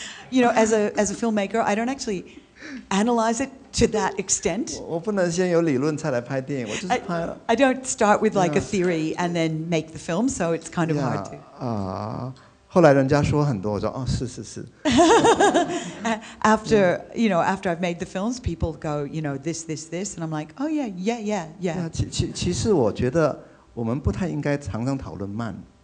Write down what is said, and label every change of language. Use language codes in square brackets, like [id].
[en] You know, as a filmmaker, I don't actually analyze it to that extent. I don't start with like a theory and then make the film, so it's kind of hard to. [zh] 后来人家说很多，我说哦，是是是。 [en] After I've made the films, people go, you know, this, and I'm like, oh yeah. [zh] 其实我觉得我们不太应该常常讨论慢。